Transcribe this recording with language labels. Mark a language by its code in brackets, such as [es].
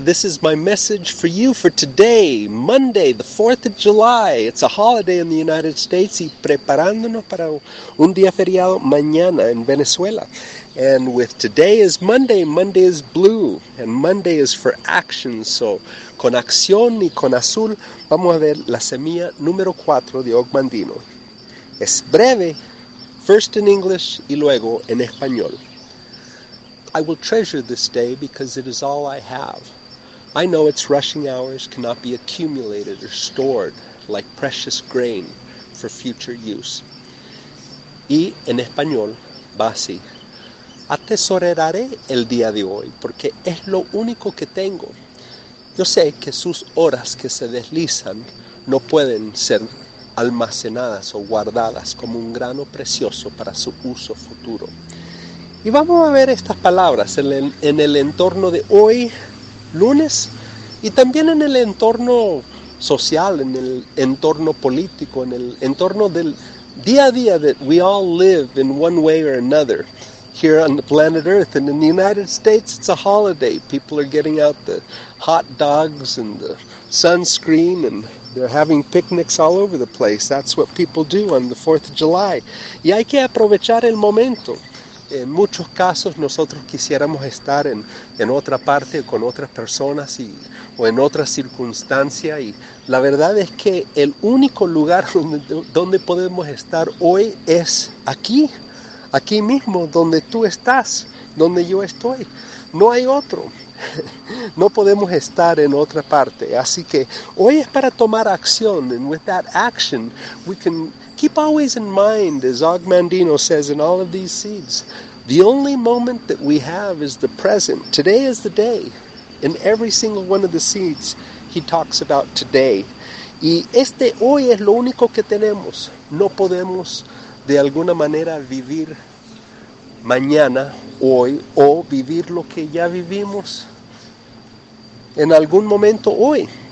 [en] This is my message for you for today, Monday, the 4th of July. [es] It's a holiday in the United States y preparándonos para un día feriado mañana en Venezuela. [en] And with today is Monday, Monday is blue, and Monday is for action. [es] So con acción y con azul vamos a ver la semilla número 4 de Ogmandino. Es breve, first in English y luego en español. [en] I will treasure this day because it is all I have. I know its rushing hours cannot be accumulated or stored like precious grain for future use. [es] Y en español va así. Atesoraré el día de hoy porque es lo único que tengo. Yo sé que sus horas que se deslizan no pueden ser almacenadas o guardadas como un grano precioso para su uso futuro. Y vamos a ver estas palabras en el entorno de hoy, lunes, y también en el entorno social, en el entorno político, en el entorno del día a día that we all live in one way or another here on the planet Earth. [en] And in the United States, it's a holiday. People are getting out the hot dogs and the sunscreen and they're having picnics all over the place. That's what people do on the 4th of July. [es] Y hay que aprovechar el momento. En muchos casos nosotros quisiéramos estar en otra parte con otras personas y, o en otra circunstancia y la verdad es que el único lugar donde podemos estar hoy es aquí mismo, donde tú estás, donde yo estoy. No hay otro. No podemos estar en otra parte. Así que hoy es para tomar acción. [en] And with that action, we can keep always in mind, as Ogmandino says in all of these seeds, the only moment that we have is the present. Today is the day. In every single one of the seeds, he talks about today. [es] Y este hoy es lo único que tenemos. No podemos de alguna manera vivir mañana, hoy, o vivir lo que ya vivimos en algún momento hoy.